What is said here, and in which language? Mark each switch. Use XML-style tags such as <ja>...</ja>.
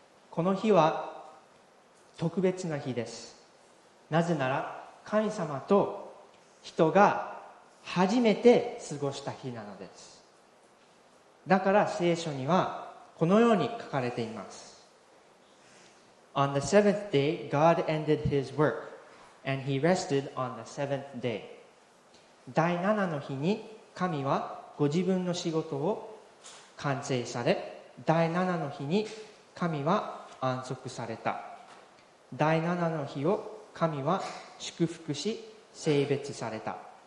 <ja>この日は特別な日です。なぜなら神様と人が初めて過ごした日なのです。だから聖書にはこのように書かれています。</ja> <en>On the seventh day, God ended his work, and he rested on the seventh day.</en> <ja>第七の日に神はご自分の仕事を完成され、第七の日に神は安息された。第七の日を神は祝福し聖別された。</ja>